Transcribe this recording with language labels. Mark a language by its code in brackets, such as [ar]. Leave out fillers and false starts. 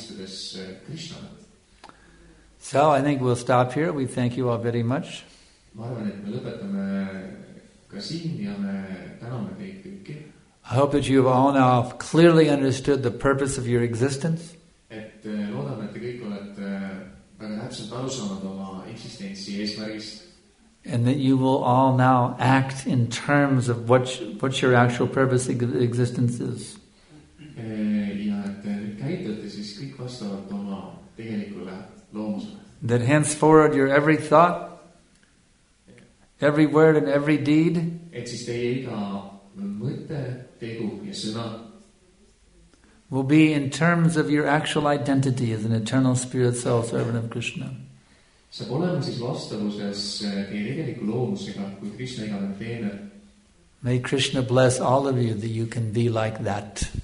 [en] So I think we'll stop here. We thank you all very much. [et] Ma arvan, et me lõpetame ka siin ja me täname teid kõiki. [en] I hope that you have all now clearly understood the purpose of your existence. [et] Et loodame, et te kõik olete väga täpselt aru saanud oma eksistentsi eesmärgist. [en] And that you will all now act in terms of what your actual purpose of existence is. [et] Ja et käitate siis kõik vastavalt oma tegelikule loomusele. [en] That henceforward your every thought, every word and every deed, [et] et siis teie iga mõte, tegu ja sõna, [en] will be in terms of your actual identity as an eternal spirit soul servant of Krishna. [et] Saab olema siis vastavuses teie tegeliku loomusega, kui Krishna igal on teener. [en] May Krishna bless all of you that you can be like that.